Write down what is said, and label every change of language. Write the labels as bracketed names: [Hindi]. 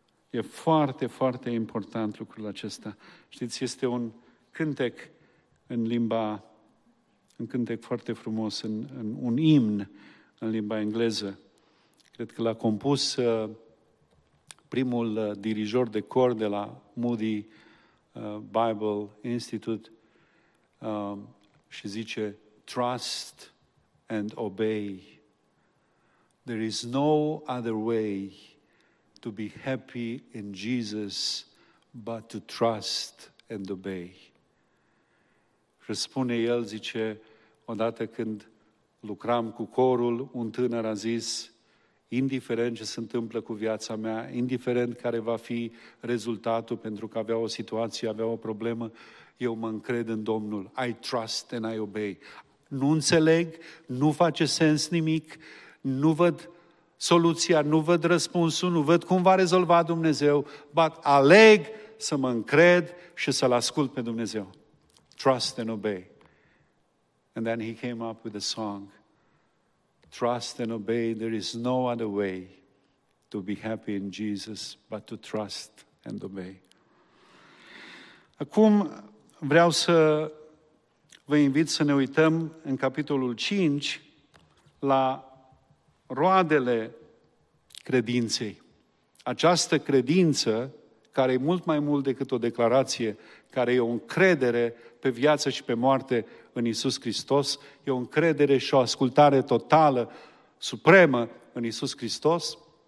[Romanian] E foarte, foarte important lucrul acesta. Știți, este un cântec în limba un cântec foarte frumos, un imn în limba engleză. Cred că l-a compus primul dirijor de cor de la Moody Bible Institute și zice, [English] trust and obey. There is no other way to be happy in Jesus but to trust and obey. [Romanian] Și spune el, zice, odată când lucram cu corul, un tânăr a zis, indiferent ce se întâmplă cu viața mea, indiferent care va fi rezultatul, pentru că avea o situație, avea o problemă, eu mă încred în Domnul. [English] I trust and I obey. [Romanian] Nu înțeleg, nu face sens nimic, nu văd soluția, nu văd răspunsul, nu văd cum va rezolva Dumnezeu, but aleg să mă încred și să-L ascult pe Dumnezeu. [English] Trust and obey. And then he came up with a song. Trust and obey, there is no other way to be happy in Jesus but to trust and obey. [Romanian] Acum vreau să vă invit să ne uităm în capitolul 5 la roadele credinței. Această credință, care e mult mai mult decât o declarație, care e o încredere pe viață și pe moarte în Iisus Hristos, e o încredere și o ascultare totală, supremă în Iisus Hristos.